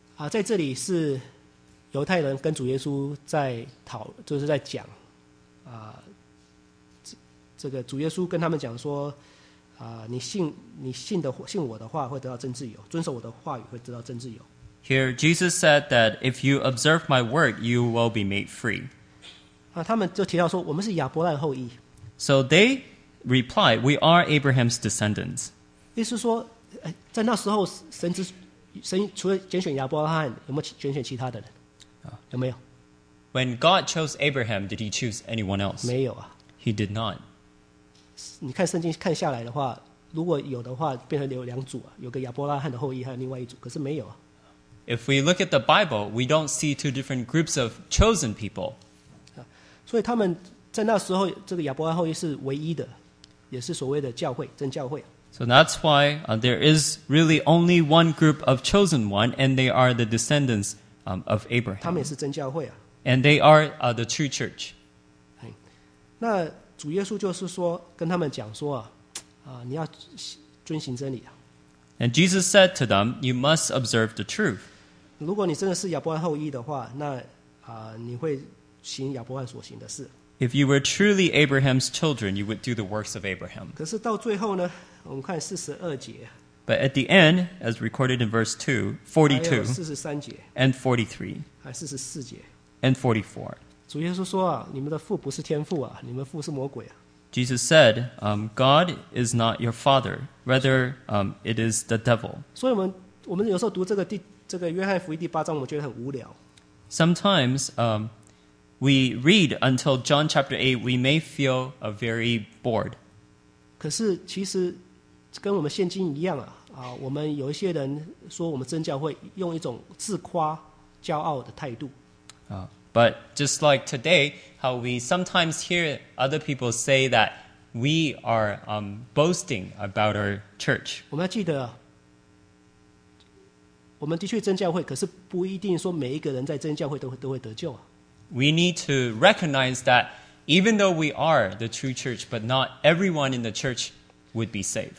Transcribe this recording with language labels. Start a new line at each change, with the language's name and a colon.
Chinese: 在这里是犹太人跟主耶稣在讨，就是在讲，这个主耶稣跟他们讲说，你信我的话会得到真自由，遵守我的话语会得到真自由。
English: Here Jesus said that if you observe my word, you will be made free.
Chinese: 他们就提到说，我们是亚伯拉罕后裔。
English: So they replied, "We are Abraham's descendants."
Chinese: 意思说，在那时候神之。神除了拣选亚伯拉罕，有没有拣选其他的人？有没有
English: ？When God chose Abraham, did He choose anyone else?
Chinese: 没有啊。
English: He did not.
Chinese: 你看圣经看下来的话，如果有的话，变成有两组啊，有个亚伯拉罕的后裔，还有另外一组，可是没有啊。
English: If we look at the Bible, we don't see two different groups of chosen people.
Chinese: 所以他们在那时候，这个亚伯拉罕后裔是唯一的，也是所谓的教会，真教会。
English: So that's why there is really only one group of chosen one, and they are the descendants of Abraham.
Chinese: 他们也是真教会啊。
English: And they are the true church.
Chinese: 那主耶稣就是说跟他们讲说你要遵行真理啊。
English: And Jesus said to them, "You must observe the truth."
Chinese: 如果你真的是亚伯拉罕后裔的话，那你会行亚伯拉罕所行的事。
English: If you were truly Abraham's children, you would do the works of Abraham.
Chinese: 可是到最后呢？我们看四十二节。
English: But at the end, as recorded in verse 2, 42,
Chinese: 四十三节
English: and 43,
Chinese: 还四十四节
English: and 44.
Chinese: 主耶稣说啊，你们的父不是天父啊，你们父是魔鬼啊。
English: Jesus said, God is not your father, rather, it is the devil.
Chinese: 所以我们有时候读这个约翰福音第八章，我们觉得很无聊。
English: Sometimes, we read until John chapter 8, we may feel very bored.
Chinese: 可是其实跟我们现今一样我们有一些人说我们真教会用一种自夸骄傲的态度。
English: But just like today, how we sometimes hear other people say that we are boasting about our church.
Chinese: 我们要记得我们的确真教会，可是不一定说每一个人在真教会都会得救
English: We need to recognize that even though we are the true church, but not everyone in the church would be saved.